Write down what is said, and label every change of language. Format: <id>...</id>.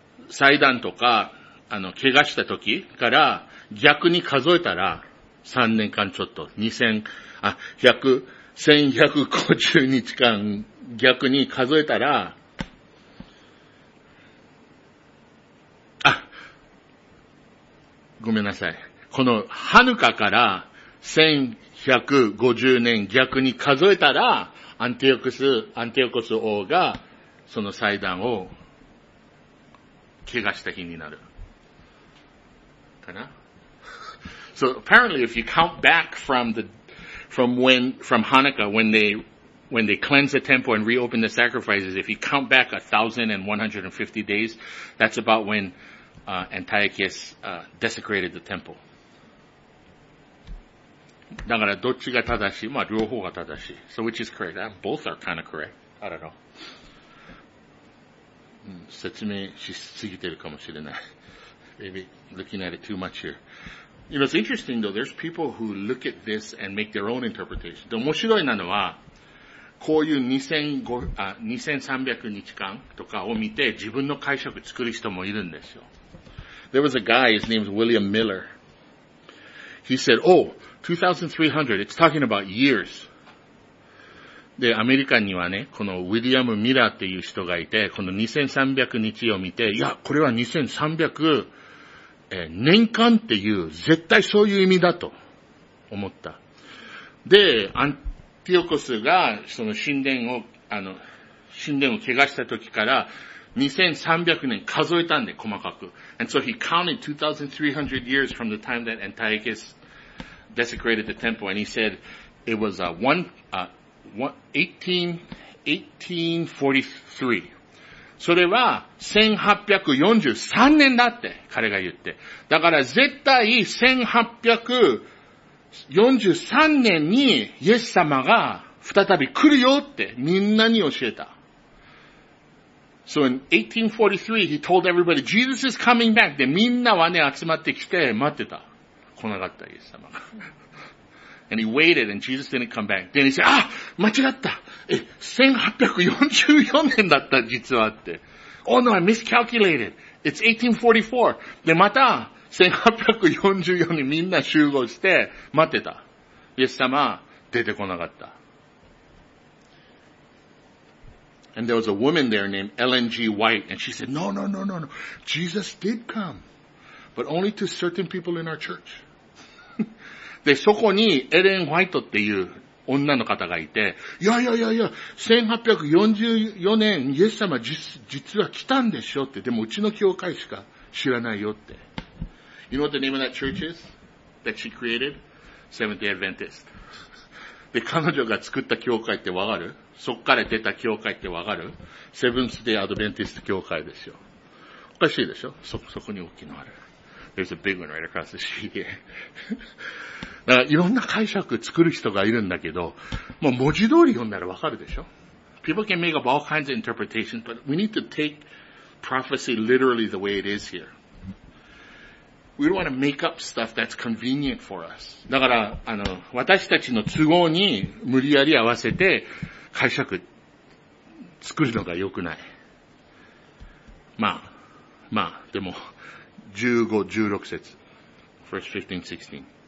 <ja>祭壇とか、あの、怪我した時から逆に数えたら3年間ちょっと、1150日間逆に数えたら、ごめんなさい。この、ハヌカから、1150年逆に数えたら、アンティオコス王が、その祭壇を、怪我した日になる。かな?</ja> <en>So, apparently, if you count back from Hanukkah, when they when they cleanse the temple and reopen the sacrifices, if you count back 1,150 days, that's about when Antiochus desecrated the temple.</en> <ja>だからどっちが正しい? まあ両方が正しい。</ja> <en>So which is correct? Both are kind of correct. I don't know.</en> <ja>説明しすぎてるかもしれない。</ja> <en>Maybe looking at it too much here. You know, it's interesting though, there's people who look at this and make their own interpretation.</en> <ja>面白いなのは、こういう2300日間とかを見て自分の解釈作る人もいるんですよ。</ja> <en>There was a guy, his name is William Miller. He said, oh, 2300, it's talking about years.</en> <ja>で、アメリカにはね、このウィリアム・ミラーっていう人がいて、この2300日を見て、いや、これは2300年間っていう、絶対そういう意味だと思った。で、アンティオコスがその神殿を怪我した時から、2300年数えたんで、細かく。</ja> <en>And so he counted 2300 years from the time that Antiochus desecrated the temple, and he said it was 1843.</en> <ja>それは1843年だって、彼が言って。だから絶対1843年にイエス様が再び来るよってみんなに教えた。</ja> <en>So in 1843, he told everybody, Jesus is coming back.</en> <ja>で、みんなはね、集まってきて待ってた。来なかった、イエス様が。</ja> <en>And he waited, and Jesus didn't come back. Then he said, ah!</en> <ja>間違った1844年だった、実はって。</ja> <en>Oh no, I miscalculated. It's 1844.</en> <ja>で、また、1844にみんな集合して待ってた。イエス様、出てこなかった。</ja> <en>And there was a woman there named Ellen G. White, and she said, no. Jesus did come, but only to certain people in our church.</en> <ja>で、そこにエレン・ホワイトっていう女の方がいて、いや、1844年、イエス様実は来たんでしょって、でもうちの教会しか知らないよって。</ja> <en>You know what the name of that church is? That she created? Seventh-day Adventist.</en> <ja>で、彼女が作った教会ってわかる?そっから出た教会ってわかる? セブンスデイ・アドベンティスト教会ですよ。おかしいでしょ?そこに大きいのある。</ja> <en>There's a big one right across the street here.</en> <ja>だからいろんな解釈作る人がいるんだけど、もう文字通り読んだらわかるでしょ?</ja> <en>People can make up all kinds of interpretations, but we need to take prophecy literally the way it is here. We don't want to make up stuff that's convenient for us.</en> <ja>だから、私たちの都合に無理やり合わせて、解釈作るのが良くない。まあ、でも、15-16節。</ja> <en>First 15-16。</en>